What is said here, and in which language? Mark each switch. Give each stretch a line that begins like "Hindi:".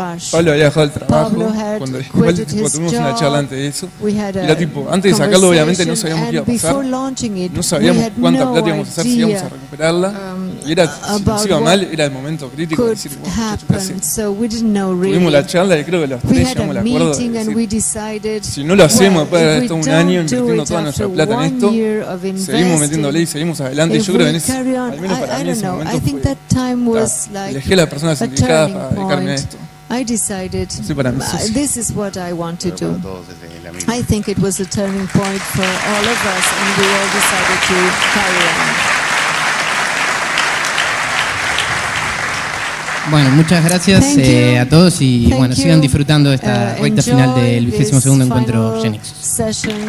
Spanish: Pablo había dejado el trabajo, cuando tuvimos una charla antes de eso, y era tipo, antes de sacarlo obviamente no sabíamos qué iba a pasar, no sabíamos cuánta plata íbamos a hacer, si íbamos a recuperarla, y era, si iba mal, era el momento crítico de decir, tuvimos la charla y creo que los tres llegamos al acuerdo de decir, si no lo hacemos después de esto un año invirtiendo toda nuestra plata en esto, seguimos metiéndole y seguimos adelante. Y yo creo que en ese, al menos para mí, ese momento fue, elegí a las personas indicadas para dedicarme a esto.
English: I decided, this is what I want to do. I think it was a turning point for all of us, and we all decided to carry on.
Spanish: Bueno, muchas gracias a todos y bueno, sigan disfrutando esta recta final del 22º encuentro Genexus.